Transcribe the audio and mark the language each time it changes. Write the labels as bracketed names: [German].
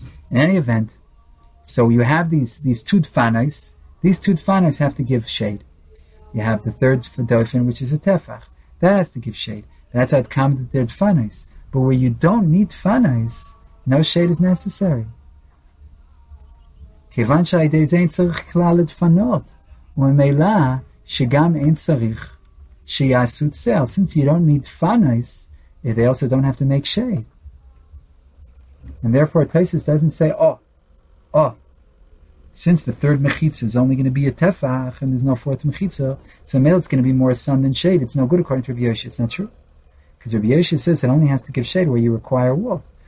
[English] In any event, so you have these two dfanais. These two dfanais have to give shade. You have the third dofen, which is a tefach. That has to give shade. That's at kam that they're dfanais. But where you don't need dfanais, no shade is necessary. [Hebrew] כיוון שהידי זה אין צריך כלל לדפנות, וממילא שגם אין צריך שיעשו צל. [English] Since you don't need funnies, they also don't have to make shade. And therefore, Tosfos doesn't say, since the third mechitza is only going to be a tefach, and there's no fourth mechitza, so in the middle it's going to be more sun than shade. It's no good according to Rabbi Yoshiah. It's not true. Because Rabbi Yoshiah says it only has to give shade where you require walls.